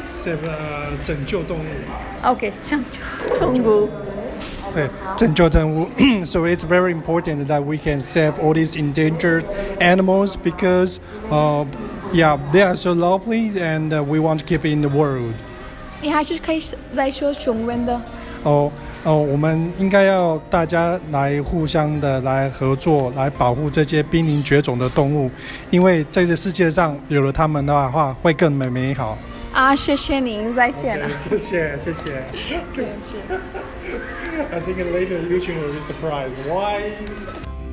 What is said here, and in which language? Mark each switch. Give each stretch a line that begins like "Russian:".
Chinese: Save 拯救动物。 Okay, 拯救动物。对，拯救动物。
English: So it's very important that we can save all these endangered animals because, they are so lovely and we want to keep it in the world.
Chinese: 你还是可以再说中文的。我们应该要大家来互相的来合作，来保护这些濒临绝种的动物，因为这个世界上有了它们的话，会更美好。谢谢您，再见了。 Okay, 谢谢。
English: Thank you. I think later you two will be surprised. Why?